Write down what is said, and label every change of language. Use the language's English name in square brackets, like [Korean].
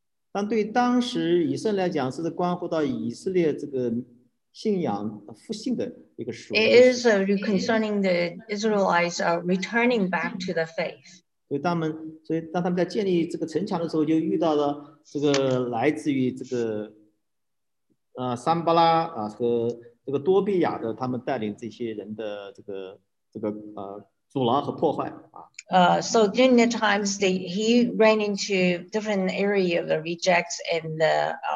[Chinese] 但对当时以色列来讲，是关乎到以色列这个信仰复兴的。 [English] It is concerning the Israelites returning back to the faith. [Chinese] 所以当他们在建立这个城墙的时候，就遇到了这个来自于这个桑巴拉和这个多比亚的他们带领这些人的这个阻挠和破坏啊。 [English] So during the times he ran into different area of the rejects and the